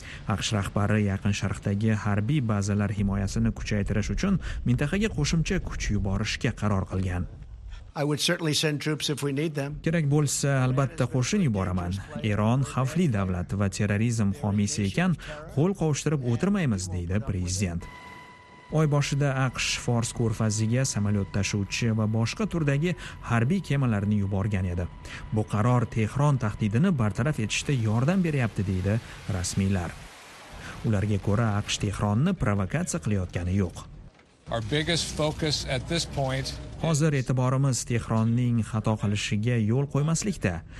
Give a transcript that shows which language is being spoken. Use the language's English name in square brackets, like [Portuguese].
[Uzbek] AQSh rahbari Yaqin Sharqdagi harbiy bazalar himoyasini kuchaytirish uchun mintaqaga qo'shimcha kuch yuborishga qaror qilgan. [English] I would certainly send troops if we need them. [Uzbek] Kerak bo'lsa, albatta qo'shin yuboraman. Iron xavfli davlat va terrorizm homiysi ekan, qo'l qovushtirib o'tirmaymiz, deydi prezident. Oy boshida AQSh Fors ko'rfaziga samolyot tashuvchi va boshqa turdagi harbiy kemalarni yuborgan edi. Bu qaror Tehron tahdidini bartaraf etishda yordam beryapti, deydi rasmiylar. Ularga ko'ra, AQSh Tehronni provokatsiya qilayotgani yo'q. [English] Our biggest focus at this point. [Uzbek] Hozir e'tiborimiz Tehronning xato qilishiga yo'l qo'ymaslikda.